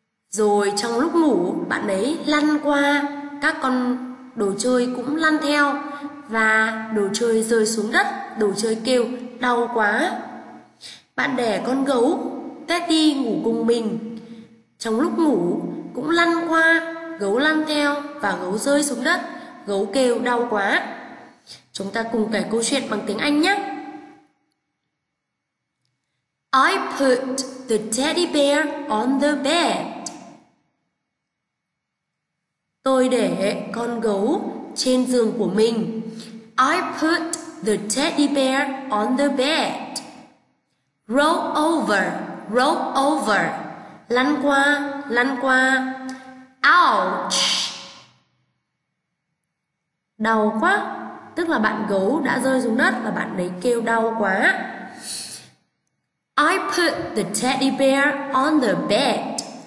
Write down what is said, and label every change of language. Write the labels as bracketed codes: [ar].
[vi] Rồi trong lúc ngủ, bạn ấy lăn qua, các con đồ chơi cũng lăn theo và đồ chơi rơi xuống đất, đồ chơi kêu đau quá. Bạn để con gấu Teddy ngủ cùng mình. Trong lúc ngủ cũng lăn qua, gấu lăn theo và gấu rơi xuống đất, gấu kêu đau quá. Chúng ta cùng kể câu chuyện bằng tiếng Anh nhé. [en] I put the teddy bear on the bed. [vi] Tôi để con gấu trên giường của mình. [en] I put the teddy bear on the bed. Roll over. [vi] Lăn qua. [en] Ouch. [vi] Đau quá. Tức là bạn gấu đã rơi xuống đất và bạn ấy kêu đau quá. [en] I put the teddy bear on the bed.